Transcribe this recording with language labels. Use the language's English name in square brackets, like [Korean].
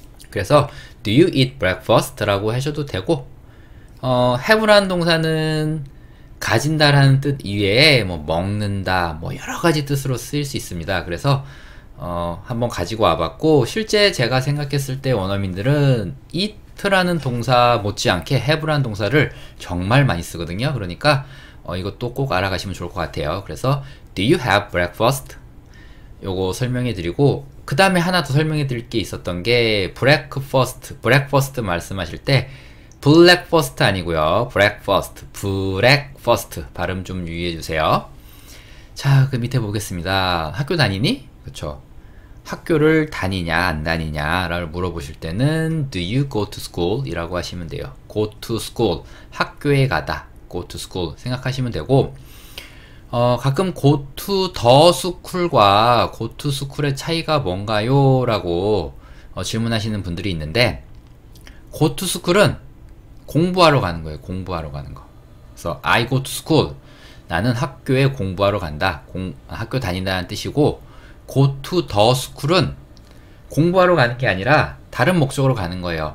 [Korean] 그래서 do you eat breakfast라고 하셔도 되고, have라는 동사는 가진다라는 뜻 이외에 뭐 먹는다 뭐 여러 가지 뜻으로 쓰일 수 있습니다. 그래서 한번 가지고 와 봤고, 실제 제가 생각했을 때 원어민들은 eat라는 동사 못지않게 have라는 동사를 정말 많이 쓰거든요. 그러니까 이것도 꼭 알아가시면 좋을 것 같아요. 그래서 [English] Do you have breakfast? [Korean] 요거 설명해 드리고, 그 다음에 하나 더 설명해 드릴 게 있었던 게 breakfast 말씀하실 때 breakfast 아니고요. breakfast 발음 좀 유의해 주세요. 자, 그 밑에 보겠습니다. 학교 다니니? 그쵸? 학교를 다니냐 안 다니냐를 물어보실 때는 [English] Do you go to school? [Korean] 이라고 하시면 돼요. go to school, 학교에 가다. go to school 생각하시면 되고, 가끔 go to the school과 go to school의 차이가 뭔가요? 라고 질문하시는 분들이 있는데, go to school은 공부하러 가는 거예요. 공부하러 가는 거. 그래서 [English] I go to school. [Korean] 나는 학교에 공부하러 간다. 학교 다닌다는 뜻이고, go go to the school은 공부하러 가는 게 아니라 다른 목적으로 가는 거예요.